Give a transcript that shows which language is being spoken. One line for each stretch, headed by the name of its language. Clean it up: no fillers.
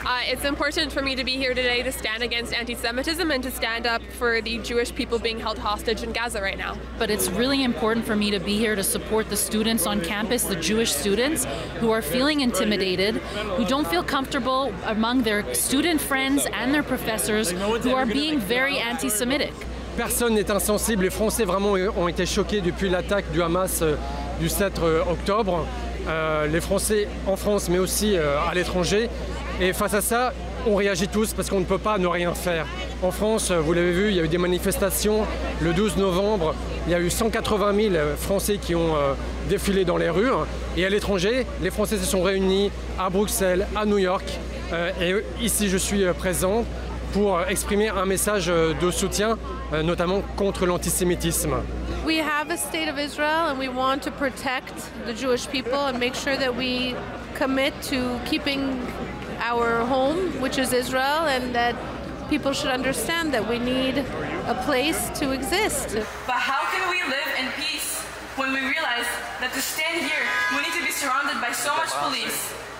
English: It's important for me to be here today to stand against anti-Semitism and to stand up for the Jewish people being held hostage in Gaza right now. But it's really important for me to be here to support the students on campus, the Jewish students, who are feeling intimidated, who don't feel comfortable among their student friends and their professors, who are being very anti-Semitic.
French: Personne n'est insensible. Les Français vraiment ont été choqués depuis l'attaque du Hamas du 7 octobre. Les Français en France, mais aussi à l'étranger. Et face à ça, on réagit tous parce qu'on ne peut pas ne rien faire. En France, vous l'avez vu, il y a eu des manifestations le 12 novembre. Il y a eu 180 000 Français qui ont défilé dans les rues. Et à l'étranger, les Français se sont réunis à Bruxelles, à New York. Et ici, je suis présent pour exprimer un message de soutien, notamment contre l'antisémitisme.
English: We have a state of Israel and we want to protect the Jewish people and make sure that we commit to keeping our home, which is Israel, and that people should understand that we need a place to exist. But how can we live in peace when we realize that to stand here, we need to be surrounded by so much police?